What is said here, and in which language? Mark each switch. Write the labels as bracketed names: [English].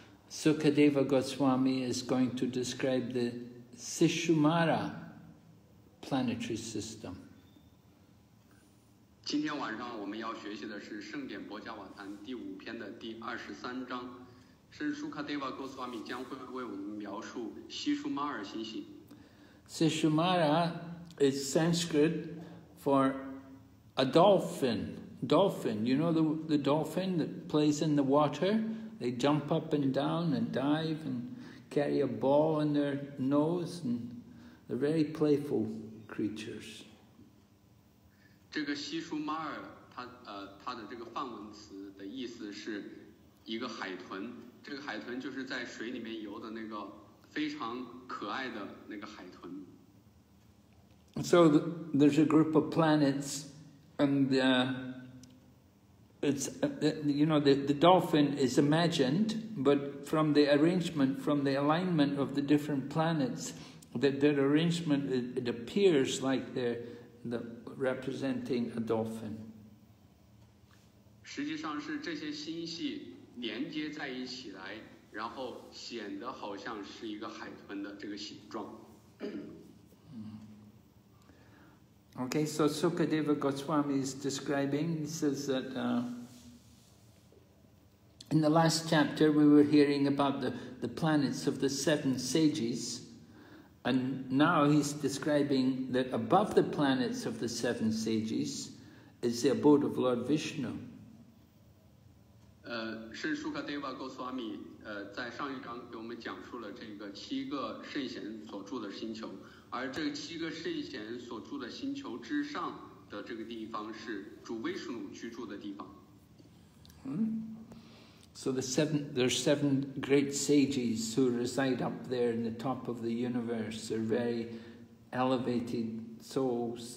[English] Sukadeva Goswami is going to describe the Sishumara planetary system. [Chinese] 今天晚上我们要学习的是圣典薄伽瓦坛第五篇的第23章。圣苏卡德瓦戈斯瓦米将会为我们描述西舒马尔星系。 [English] Sishumara is Sanskrit for a dolphin. Dolphin, you know the dolphin that plays in the water? They jump up and down and dive and carry a ball in their nose and they're very playful creatures. [Chinese] 这个西舒马尔它的这个梵文词的意思是一个海豚，这个海豚就是在水里面游的那个非常可爱的那个海豚。 [English] So there's a group of planets, and it's you know the dolphin is imagined, but from the arrangement, from the alignment of the different planets, that their arrangement it appears like they're representing a dolphin. [Chinese] 实际上是这些星系连接在一起来，然后显得好像是一个海豚的这个形状。 [English] Okay, so Sukadeva Goswami is describing, he says that in the last chapter we were hearing about the planets of the seven sages, and now he's describing that above the planets of the seven sages is the abode of Lord Vishnu. [Chinese] 圣苏卡德瓦戈斯瓦米在上一章给我们讲述了这个七个圣贤所住的星球，而这七个圣贤所住的星球之上的这个地方是主威士努居住的地方。 [English] So there's seven great sages who reside up there in the top of the universe. They're very elevated souls.